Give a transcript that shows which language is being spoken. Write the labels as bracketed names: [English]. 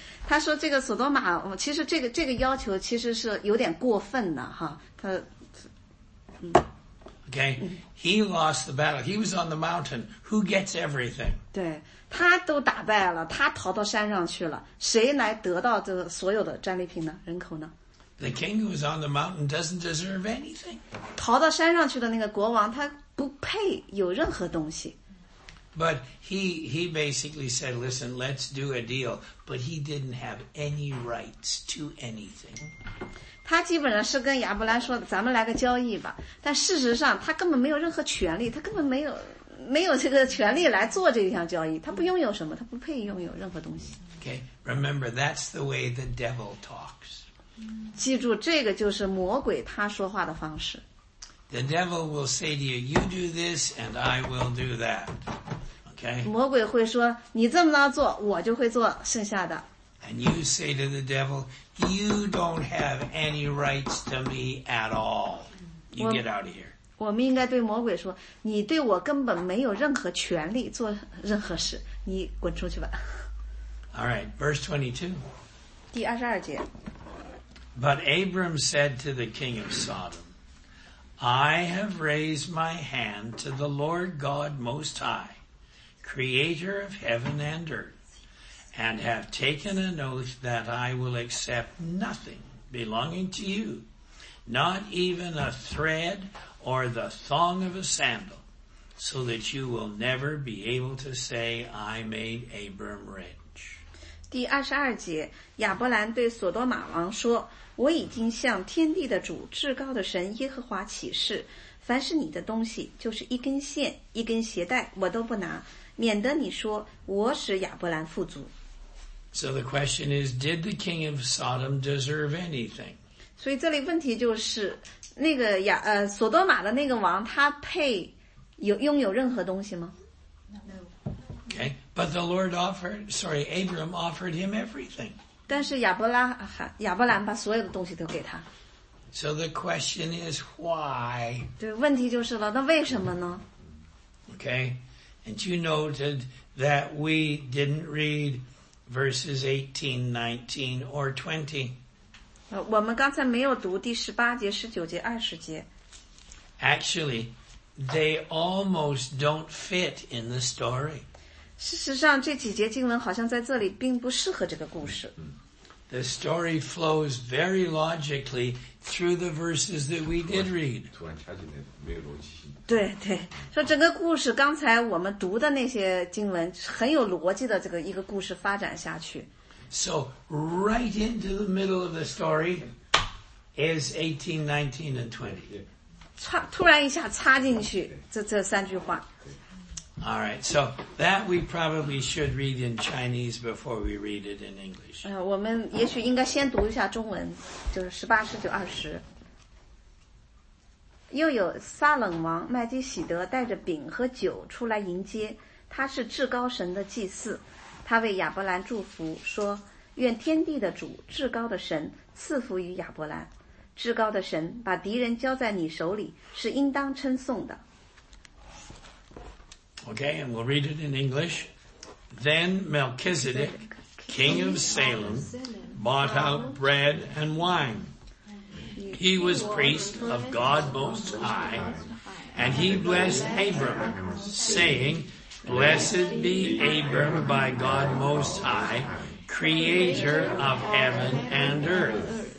[Chinese] 他说这个索多玛，其实这个要求其实是有点过分的哈。他， [English] Okay. He lost the battle. He was on the mountain. Who gets everything? [Chinese] 对，他都打败了，他逃到山上去了。谁来得到这个所有的战利品呢？人口呢？ [English] The king who is on the mountain doesn't deserve anything. [Chinese] 逃到山上去的那个国王，他不配有任何东西。 [English] But he basically said, "Listen, let's do a deal." But he didn't have any rights to anything. [Chinese] 他基本上是跟亚伯兰说，咱们来个交易吧。但事实上，他根本没有任何权利，他根本没有这个权利来做这项交易。他不拥有什么，他不配拥有任何东西。 [English] Okay, remember that's the way the devil talks. [Chinese] 记住，这个就是魔鬼他说话的方式。 [English] the devil will say to you, you do this and I will do that. Okay? [Chinese] 魔鬼会说你这么着做我就会做剩下的。 [English] And you say to the devil, you don't have any rights to me at all. You get out of here. [Chinese] 我们应该对魔鬼说你对我根本没有任何权利做任何事你滚出去吧。 [English] Alright, verse 22. [Chinese] 第22节。 [English] But Abram said to the king of Sodom, I have raised my hand to the Lord God Most High, creator of heaven and earth, and have taken an oath that I will accept nothing belonging to you, not even a thread or the thong of a sandal, so that you will never be able to say, I made Abram rich. [Chinese] 第二十二节，亚伯兰对索多玛王说：“我已经向天地的主、至高的神耶和华起誓，凡是你的东西，就是一根线、一根鞋带，我都不拿，免得你说我使亚伯兰富足。” [English] So the question is, did the king of Sodom deserve anything? [Chinese] 所以这里问题就是，那个亚索多玛的那个王，他配有拥有任何东西吗？ [English] Okay, but the Lord offered, sorry, Abram offered him everything. [Chinese] 但是亚伯兰把所有的东西都给他。 [English] So the question is why? [Chinese] 对，问题就是了，那为什么呢？ [English] Okay, and you noted that we didn't read verses 18, 19, or 20. [Chinese] 我们刚才没有读第十八节、十九节、二十节。 [English] Actually, they almost don't fit in the story. [Chinese] 事实上这几节经文好像在这里并不适合这个故事。 [English] The story flows very logically through the verses that we did read. [Chinese] 突然跳进来没有逻辑性。对对。说整个故事刚才我们读的那些经文很有逻辑的这个一个故事发展下去。 [English] So, right into the middle of the story is 18, 19 and 20. [Chinese] 突然一下插进去这三句话。 [English] All right, so that we probably should read in Chinese before we read it in English. [Chinese] 我们也许应该先读一下中文，就是十八、十九、二十。又有撒冷王麦基洗德带着饼和酒出来迎接，他是至高神的祭司，他为亚伯兰祝福说：“愿天地的主至高的神赐福于亚伯兰，至高的神把敌人交在你手里是应当称颂的。” [English] Okay, and we'll read it in English. Then Melchizedek, king of Salem, bought out bread and wine. He was priest of God Most High, and he blessed Abram, saying, Blessed be Abram by God Most High, creator of heaven and earth.